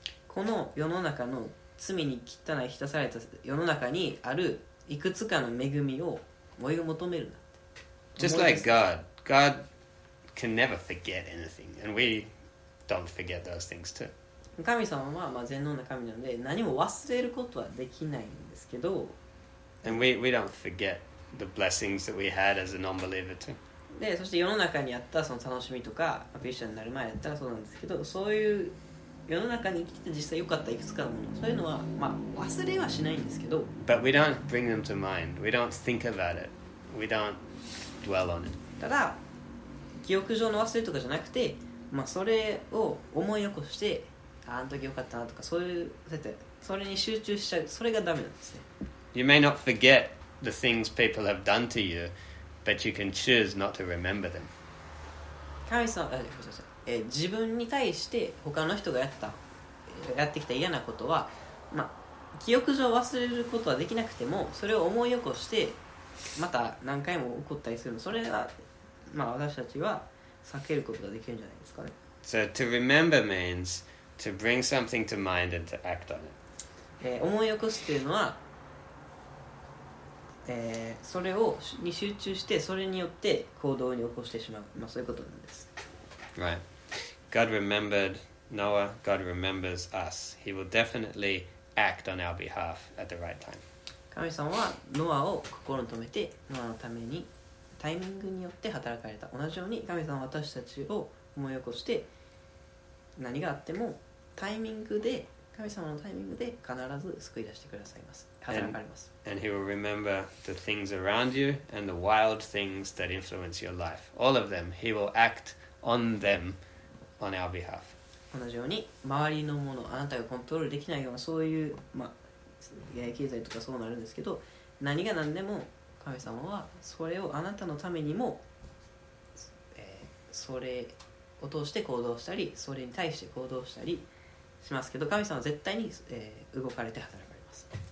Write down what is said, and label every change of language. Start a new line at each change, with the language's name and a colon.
Japanese: この世の中の罪に汚い浸された世の中にあるいくつかの恵みを追い求めるな。
English: Just like God, God can never forget anything, and we don't forget those things too.
Japanese: 神様はまあ全能な神なので何も忘れることはできないんですけど。
English: And we don't forget the blessings that we had as a non-believer too.
Japanese: で、そして世の中にあったその楽しみとか、クリスチャンになる前だったらそうなんですけど、そういう世の中に生きて実際良かったいくつかのもの、そういうのはまあ忘れはしないんですけど。
English: But we don't bring them to mind. We don't think about it. We don't. Dwell on it.
Japanese: ただ記憶上の忘れとかじゃなくて、まあ、それを思い起こして、あの時良かったなとか、そういうそれに集中しちゃう、それがダメなんですね。
English: You may not forget the things people have done to you, but you can choose not to remember them.
Japanese: 神様、自分に対して他の人がやってきた嫌なことは、まあ、記憶上忘れることはできなくても、それを思い起こしてまた何回も起こったりするの、それは、まあ、私たちは避けることができるんじゃないですかね。
English: So to remember means to bring something to mind and to act on it.
Japanese: 思い起こすというのは、それをに集中して、それによって行動に起こしてしまう、まあ、そういうことなんです。
English: Right. God remembered Noah. God remembers us. He will definitely act on our behalf at the right time.
Japanese: 神様はノアを心に留めて、ノアのためにタイミングによって働かれた。同じように神様は私たちを思い起こして、何があってもタイミングで、神様のタイミングで必ず救い出してくださいます、働かれます。
English: And he will remember the things around you and the wild things that influence your life. All of them, he will act on them on our behalf.
Japanese: 同じように周りのもの、あなたがコントロールできないような、そういう、まあ経済とかそうなるんですけど、何が何でも神様はそれをあなたのためにも、それを通して行動したり、それに対して行動したりしますけど、神様は絶対に、動かれて働かれます。